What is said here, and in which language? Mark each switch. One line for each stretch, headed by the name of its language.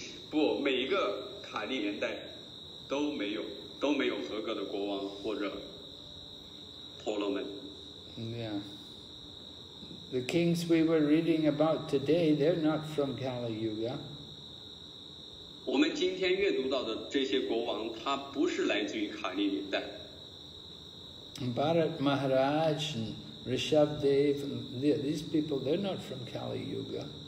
Chinese: 不，每一个卡利年代都没有合格的国王或者婆罗门。
English: Yeah. The kings we were reading about today, they're not from Kali Yuga.
Chinese: 我们今天阅读到的这些国王，他不是来自于卡利年代。
English: Bharat Maharaj and Rishabdev, these people, they're not from Kali Yuga.